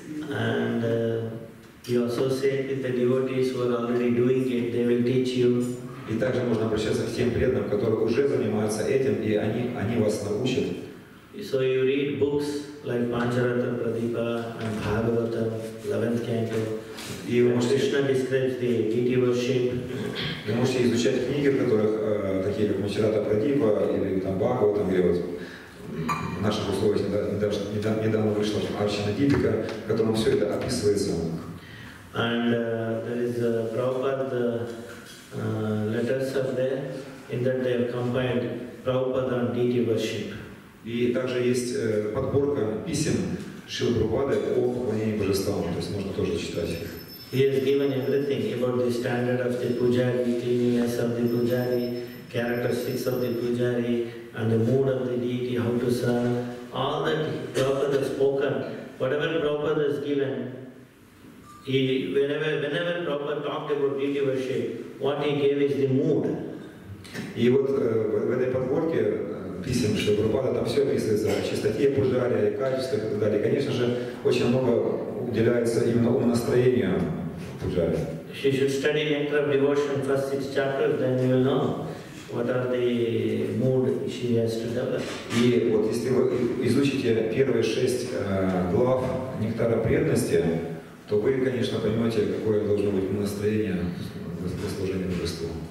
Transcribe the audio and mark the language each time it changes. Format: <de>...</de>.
<en>And he also said that the devotees who are already doing it, they will teach you.</en> <ru>И также можно обращаться к тем преданным, которые уже занимаются этим, и они вас научат.</ru> <en>So you read books like Pancharatra Pradipa and Bhagavata, 11th canto.</en> <ru>И вы можете,</ru> <en>Krishna describes the deity worship.</en> <ru>Вы можете изучать книги, в которых такие как Pancharatra Pradipa или там Бхагавата, где вот в наших условиях недавно вышла Арчана Дипика, в котором все это описывается.</ru> <en>And there is a Prabhupada letters are there in that they have combined Prabhupada and deity worship.</en> <ru>И также есть подборка писем Шрилы Прабхупады о поклонении божествам, то есть можно тоже читать их.</ru> <en>He has given everything about the standard of the pujari, cleanliness of the pujari, characteristics of the pujari, and the mood of the deity, how to serve. All that Prabhupada has spoken, whatever Prabhupada has given, whenever Prabhupada talked about deity worship, what he gave is the mood.</en> <ru>И вот в этой подборке писем Шрилы Прабхупады там все описывается о чистоте пуджари, о качествах и так далее. Конечно же, очень много уделяется именно умонастроению пуджари.</ru> <en>You should study Yantra Devotion, first 6 chapters, then you will know what are the mood she has to develop.</en> <ru>И вот если вы изучите первые 6 глав Нектара Преданности, то вы, конечно, поймете, какое должно быть умонастроение для служения божеству.</ru>